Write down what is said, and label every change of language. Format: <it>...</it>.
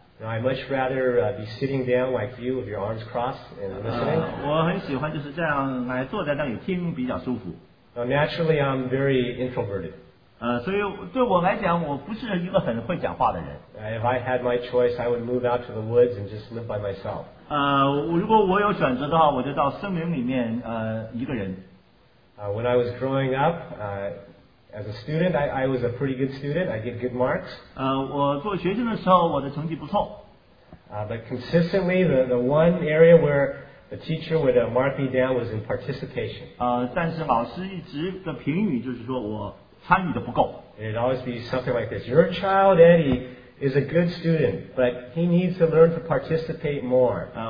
<en>You know, I'd much rather be sitting down like you with your arms crossed and listening.</en> <zh>我很喜欢就是这样来坐在那里听比较舒服。</zh> <en>Naturally, I'm very introverted.</en> <zh>所以对我来讲，我不是一个很会讲话的人。</zh> <en>If I had my choice, I would move out to the woods and just live by myself.</en> <zh>如果我有选择的话，我就到森林里面 一个人。</zh> <en>When I was growing up, as a student, I was a pretty good student. I get good marks.</en> <zh>我做学生的时候，我的成绩不错。</zh> <en>But consistently, the one area where the teacher would mark me down was in participation.</en> <zh>但是老师一直的评语就是说我参与的不够。</zh> <en>It'd always be something like this. Your child, Eddie, is a good student, but he needs to learn to participate more.</en>